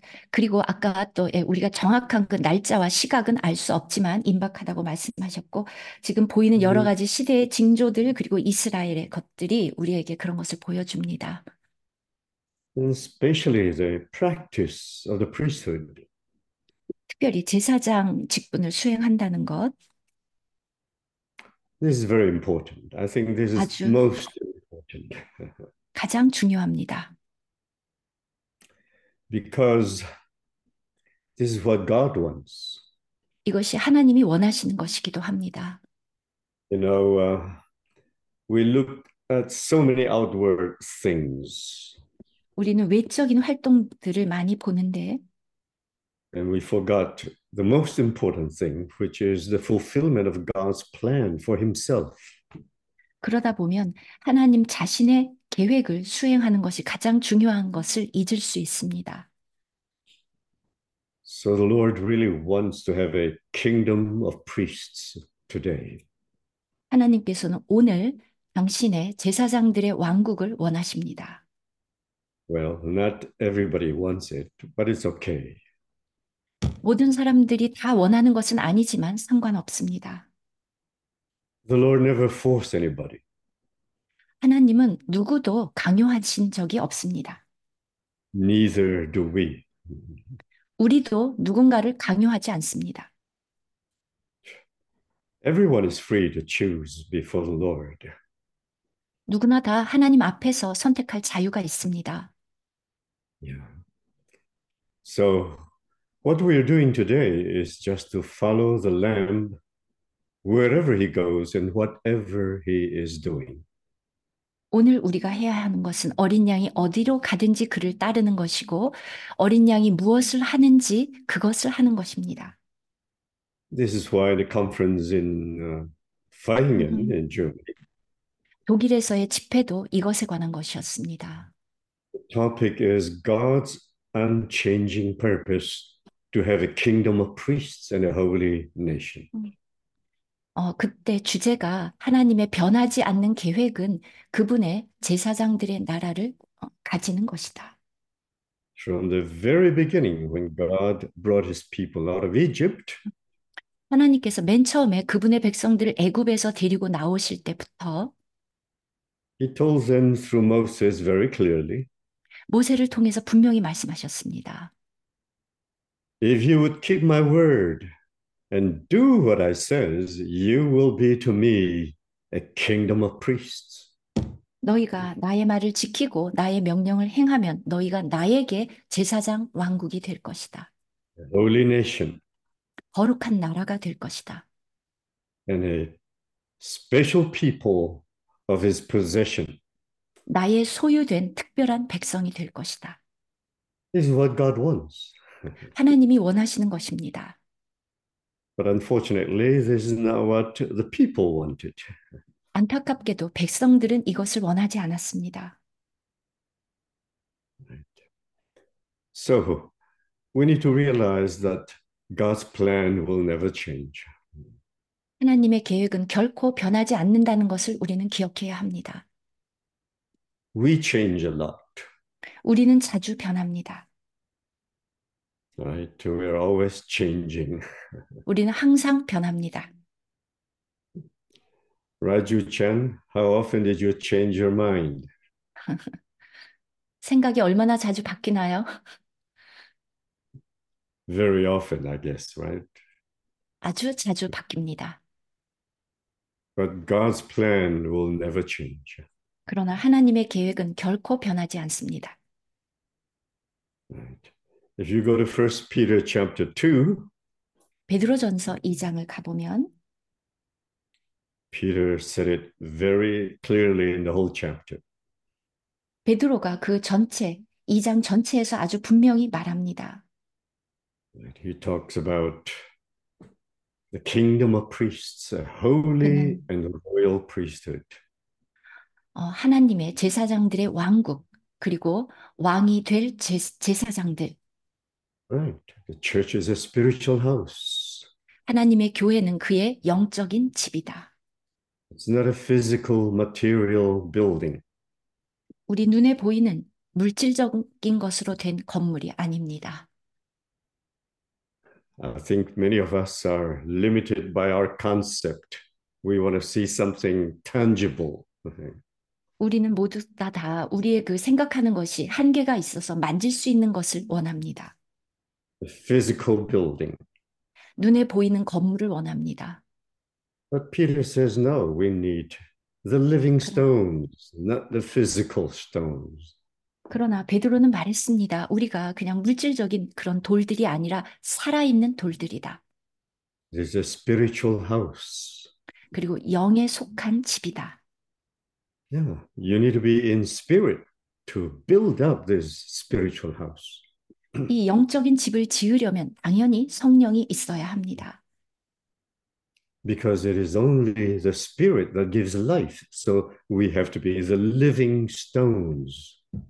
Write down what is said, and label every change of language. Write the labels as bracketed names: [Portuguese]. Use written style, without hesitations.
[Korean] 그리고 아까 또 우리가 정확한 그 날짜와 시각은 알수 없지만 임박하다고 말씀하셨고, 지금 보이는 여러 가지 시대의 징조들, 그리고 이스라엘의 것들이 우리에게 그런 것을 보여줍니다. [English] Especially the practice of the priesthood. [Korean] 특별히 제사장 직분을 수행한다는 것, [English] This is very important. I think this is [Korean] 아주 [English] most important. [Korean] 가장 중요합니다. [English] Because this is what God wants. [Korean] 이것이 하나님이 원하시는 것이기도 합니다. [English] You know, we look at so many outward things. [Korean] 우리는 외적인 활동들을 많이 보는데, [English] And we forgot the most important thing, which is the fulfillment of God's plan for himself. [Korean] 그러다 보면 하나님 자신의 계획을 수행하는 것이 가장 중요한 것을 잊을 수 있습니다. [English] So the Lord really wants to have a kingdom of priests today. [Korean] 하나님께서는 오늘 당신의 제사장들의 왕국을 원하십니다. [English] Well, not everybody wants it, but it's okay. [Korean] 모든 사람들이 다 원하는 것은 아니지만 상관없습니다. [English] The Lord never forced anybody. [Korean] 하나님은 누구도 강요하신 적이 없습니다. [English] Neither do we. [Korean] 우리도 누군가를 강요하지 않습니다. [English] Everyone is free to choose before the Lord. [Korean] 누구나 다 하나님 앞에서 선택할 자유가 있습니다. [English] So, what we are doing today is just to follow the Lamb. Wherever he goes and whatever he is doing. [Korean] 오늘 우리가 해야 하는 것은 어린 양이 어디로 가든지 그를 따르는 것이고, 어린 양이 무엇을 하는지 그것을 하는 것입니다. [English] This is why the conference in Feiningen in Germany. [Korean] 독일에서의 집회도 이것에 관한 것이었습니다. [English] The topic is God's unchanging purpose to have a kingdom of priests and a holy nation. [Korean] 그때 주제가 하나님의 변하지 않는 계획은 그분의 제사장들의 나라를 가지는 것이다. [English] From the very beginning, when God brought his people out of Egypt, [Korean] 하나님께서 맨 처음에 그분의 백성들을 애굽에서 데리고 나오실 때부터 [English] he told them through Moses very clearly, [Korean] 모세를 통해서 분명히 말씀하셨습니다. [English] "If you would keep my word and do what I says, you will be to me a kingdom of priests." [Korean] 너희가 나의 말을 지키고 나의 명령을 행하면 너희가 나에게 제사장 왕국이 될 것이다. [English] Holy nation [Korean] 거룩한 나라가 될 것이다. [English] and a special people of his possession [Korean] 나의 소유된 특별한 백성이 될 것이다. [English] is what God wants. [Korean] 하나님이 원하시는 것입니다. [English] But unfortunately, this is not what the people wanted. [Korean] 안타깝게도 백성들은 이것을 원하지 않았습니다. [English] So, we need to realize that God's plan will never change. [Korean] 하나님의 계획은 결코 변하지 않는다는 것을 우리는 기억해야 합니다. [English] We change a lot. [Korean] 우리는 자주 변합니다. [English] Right, we are always changing. [Korean] 우리는 항상 변합니다. [English] Raju Chen, how often did you change your mind? [Korean] 생각이 얼마나 자주 바뀌나요? [English] Very often, I guess, right? [Korean] 아주 자주 바뀝니다. [English] But God's plan will never change. [Korean] 그러나 하나님의 계획은 결코 변하지 않습니다. [English] Right. If you go to 1 Peter chapter 2, [Korean] 베드로전서 2장을 가보면 [English] Peter said it very clearly in the whole chapter. [Korean] 베드로가 그 전체, 2장 전체에서 아주 분명히 말합니다. [English] He talks about the kingdom of priests, a holy [Korean] 그는 [English] and royal priesthood. [Korean] 하나님의 제사장들의 왕국, 그리고 왕이 될 제사장들. [English] Right. The church is a spiritual house. [Korean] 하나님의 교회는 그의 영적인 집이다. [English] It's not a physical, material building. [Korean] 우리 눈에 보이는 물질적인 것으로 된 건물이 아닙니다. [English] I think many of us are limited by our concept. We want to see something tangible. [Korean] 우리는 모두 다 우리의 그 생각하는 것이 한계가 있어서 만질 수 있는 것을 원합니다. [English] The physical building. [Korean] 눈에 보이는 건물을 원합니다. [English] But Peter says, no, we need the living Okay. stones, not the physical stones. [Korean] 그러나 베드로는 말했습니다. 우리가 그냥 물질적인 그런 돌들이 아니라 살아있는 돌들이다. [English] This is a spiritual house. [Korean] 그리고 영에 속한 집이다. [English] Yeah, you need to be in spirit to build up this spiritual house. [Korean] 이 영적인 집을 지으려면 당연히 성령이 있어야 합니다. [English] Because it is only the spirit that gives life, so we have to be the living stones.